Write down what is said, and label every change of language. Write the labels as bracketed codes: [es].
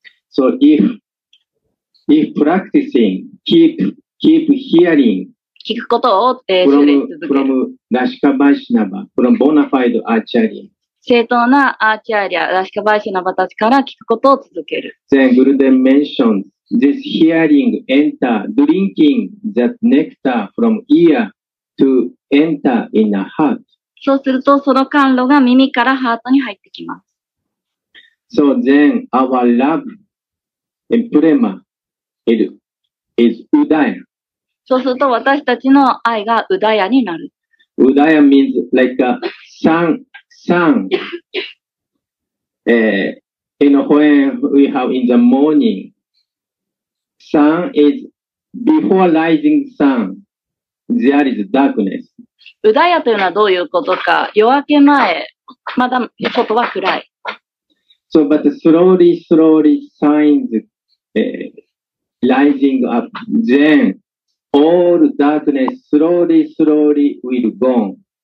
[en] So if practicing, keep hearing. [ja] 聞くことを、 [en] from ラシカバイシナバ、from bona fide アーチャリア。 [ja] 正当なアーチャリア、ラシカバイシナバたちから聞くことを続ける。 [en] Then Gurudev mentioned this hearing enter drinking that nectar from ear to enter in a heart. [ja] そうすると、その甘露が耳からハートに入ってきます。 [en] So then, our love and prema is udaya. [ja] そうすると、私たちの愛がウダヤになる。 [en] ウダヤ means like a sun. when we have in the morning, sun is before rising sun, there is darkness. [ja] うだやというのはどういうことか。夜明け前、まだ外は暗い。 [en] So, but slowly, slowly, signs、rising up. Then, all darkness slowly, slowly will gone.